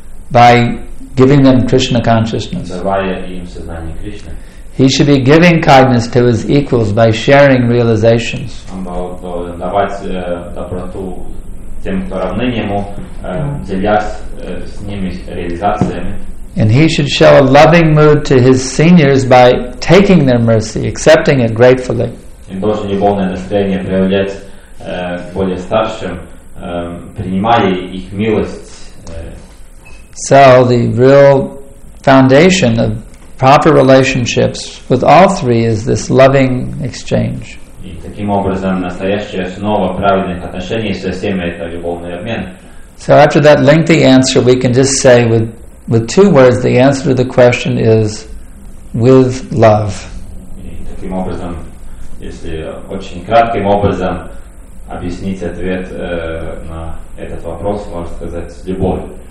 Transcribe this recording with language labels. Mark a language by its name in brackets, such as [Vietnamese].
[English] By giving them Krishna consciousness. [Russian] Давая им сознание Кришны. [English] He should be giving kindness to his equals by sharing realizations. [Russian] Он должен давать доброту тем, кто равны ему, делясь с ними реализациями. [English] And he should show a loving mood to his seniors by taking their mercy, accepting it gratefully. [Russian] Он должен любовное настроение проявлять более старшим, принимая их милость. [English] So the real foundation of proper relationships with all three is this loving exchange. [Russian] И таким образом настоящая основа правильных отношений со всеми это любовный обмен. [English] So after that lengthy answer, we can just say with two words, the answer to the question is with love. [Russian] Таким образом, если очень кратким образом объяснить ответ на этот вопрос, можно сказать с любовью.